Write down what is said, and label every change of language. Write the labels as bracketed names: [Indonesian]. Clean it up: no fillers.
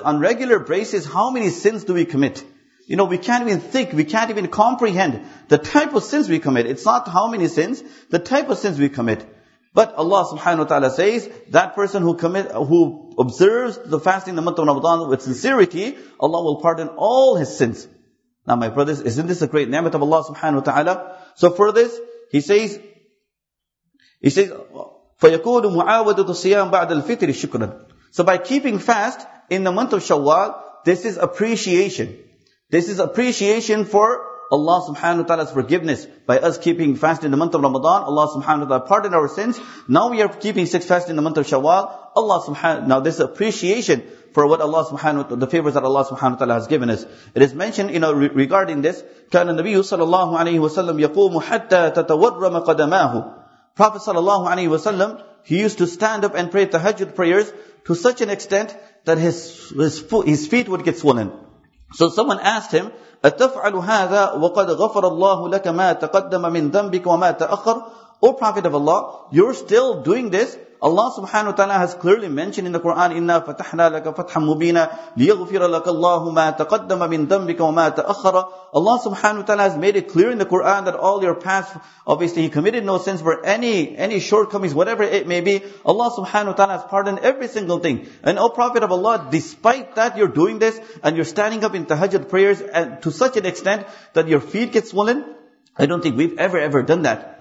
[English] On regular basis, how many sins do we commit? You know, we can't even think, we can't even comprehend the type of sins we commit. It's not how many sins, the type of sins we commit. But Allah subhanahu wa ta'ala says, that person who observes the fasting, the month of Ramadan with sincerity, Allah will pardon all his sins. Now my brothers, isn't this a great ni'mat of Allah subhanahu wa ta'ala? So for this, he says, [Arabic] فَيَكُولُ مُعَاوَدَةُ الصِّيَامُ بَعْدَ الْفِطْرِ شُكْرًا. [English] So by keeping fast in the month of Shawwal, this is appreciation. This is appreciation for Allah subhanahu wa ta'ala's forgiveness. By us keeping fast in the month of Ramadan, Allah subhanahu wa ta'ala pardoned our sins. Now we are keeping six fasts in the month of Shawwal. Allah subhanahu, now this is appreciation for what Allah subhanahu wa ta'ala, the favors that Allah subhanahu wa ta'ala has given us. It is mentioned, you know, regarding this, [Arabic] كان النبي صلى الله عليه وسلم يقوم حتى تتورم قدماه. [English] Prophet sallallahu alayhi wa sallam, he used to stand up and pray tahajjud prayers to such an extent that his feet would get swollen. So someone asked him, [Arabic] أَتَفْعَلُ هَذَا وَقَدْ غَفَرَ اللَّهُ لَكَ مَا تَقَدَّمَ مِنْ ذَنْبِكَ وَمَا تَأَخَّرَ. [English] O Prophet of Allah, you're still doing this? Allah subhanahu wa ta'ala has clearly mentioned in the Quran, [Arabic] إِنَّا فَتَحْنَا لَكَ فَتْحًا مُبِينًا لِيَغْفِرَ لَكَ اللَّهُ مَا تَقَدَّمَ مِنْ ذَنْبِكَ وَمَا تَأَخَّرَ. [English] Allah subhanahu wa ta'ala has made it clear in the Quran that all your past, obviously he committed no sins, for any shortcomings, whatever it may be, Allah subhanahu wa ta'ala has pardoned every single thing. And O Prophet of Allah, despite that you're doing this, and you're standing up in tahajjud prayers to such an extent that your feet get swollen, I don't think we've ever done that.